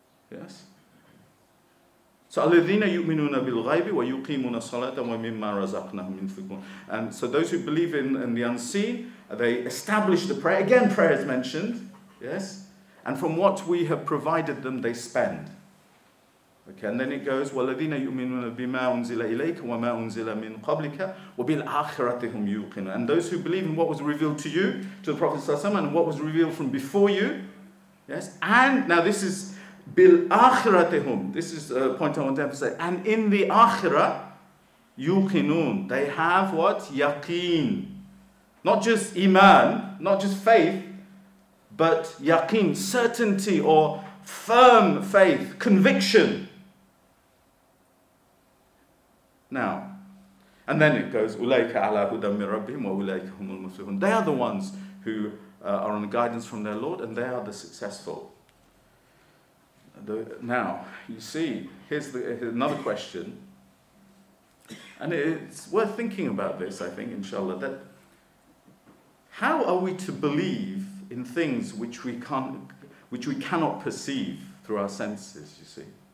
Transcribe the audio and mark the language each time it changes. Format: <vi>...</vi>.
<en>Yes? So,</en> <ar>الَّذِينَ يُؤْمِنُونَ بِالْغَيْبِ وَيُقِيمُونَ الصَّلَاةَ وَمِمَّا رَزَقْنَهُمْ يُنْفِقُونَ.</ar> <en>And so those who believe in the unseen, they establish the prayer. Again, prayer is mentioned. Yes? And from what we have provided them, they spend. Okay, and then it goes,</en> <ar>وَالَّذِينَ يُؤْمِنُونَ بِمَا أُنزِلَ إِلَيْكَ وَمَا أُنزِلَ مِنْ قَبْلِكَ وَبِالْآخِرَةِ هُمْ يُوقِنُونَ.</ar> <en>And those who believe in what was revealed to you, to the Prophet ﷺ, and what was revealed from before you, yes, and, now this is,</en> <ar>بِالْآخِرَةِ هُمْ,</ar> <en>this is a point I want to emphasize, and in the Akhirah,</en> <ar>يُوقِنُونَ,</ar> <en>they have what? Yaqeen. Not just Iman, not just faith, but Yaqeen, certainty, or firm faith, conviction. Now, and then it goes,</en> <ar>أُولَيْكَ عَلَى هُدًى مِّن رَبِّهِمْ وَأُولَيْكَ هُمُ الْمُفْلِحُونَ.</ar> <en>They are the ones who are on guidance from their Lord, and they are the successful. Now, you see, here's another question. And it's worth thinking about this, I think, inshallah, that how are we to believe in things which we cannot perceive through our senses, you see?</en>